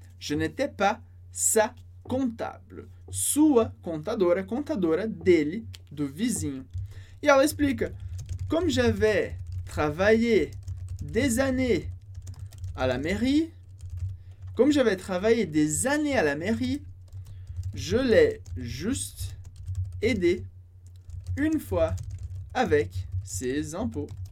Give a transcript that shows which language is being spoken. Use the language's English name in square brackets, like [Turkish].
[French] Je n'étais pas sa comptable. [Portuguese] Sua contadora, contadora dele, do vizinho. E ela explica: [French] comme j'avais travaillé des années à la mairie, comme j'avais travaillé des années à la mairie, je l'ai juste aidé une fois avec ses impôts.